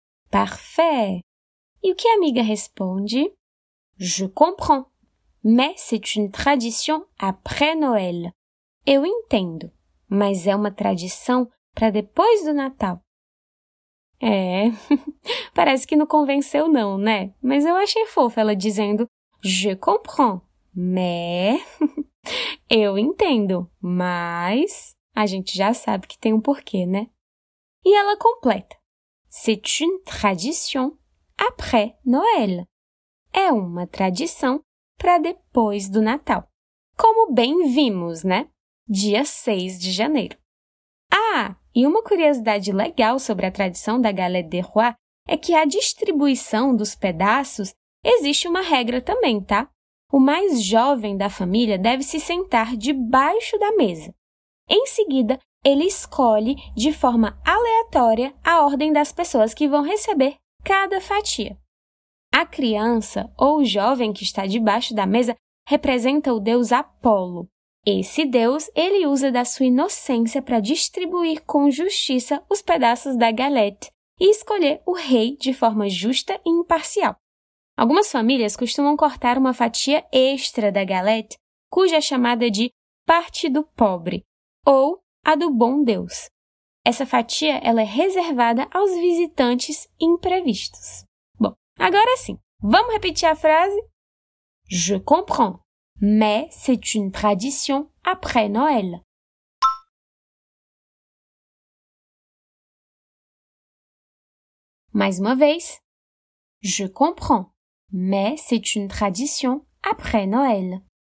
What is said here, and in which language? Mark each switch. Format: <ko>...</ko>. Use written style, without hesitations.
<fr>Parfait.</fr> <pt>E o que a amiga responde?</pt> <fr>Je comprends. mais c'est une tradition après Noël.</fr> <pt>Eu entendo, mas é uma tradição para depois do Natal. É, parece que não convenceu não, né? Mas eu achei fofo ela dizendo,</pt> <fr>je comprends, mais...</fr> <pt>Eu entendo, mas... A gente já sabe que tem um porquê, né? E ela completa.</pt> <fr>C'est une tradition après Noël.</fr> <pt>É uma tradição para depois do Natal. Como bem vimos, né? Dia 6 de janeiro. Ah, e uma curiosidade legal sobre a tradição da Galette des Rois é que a distribuição dos pedaços existe uma regra também, tá? O mais jovem da família deve se sentar debaixo da mesa. Em seguida, ele escolhe de forma aleatória a ordem das pessoas que vão receber cada fatia. A criança ou o jovem que está debaixo da mesa representa o deus Apolo. Esse deus, ele usa da sua inocência para distribuir com justiça os pedaços da galette e escolher o rei de forma justa e imparcial. Algumas famílias costumam cortar uma fatia extra da galette, cuja é chamada de parte do pobre, ou a do bom Deus. Essa fatia ela é reservada aos visitantes imprevistos. Bom, agora sim, vamos repetir a frase?</pt> <fr>Je comprends, mais c'est une tradition après Noël.</fr> <pt>Mais uma vez.</pt> <fr>Je comprends, mais c'est une tradition après Noël.</fr>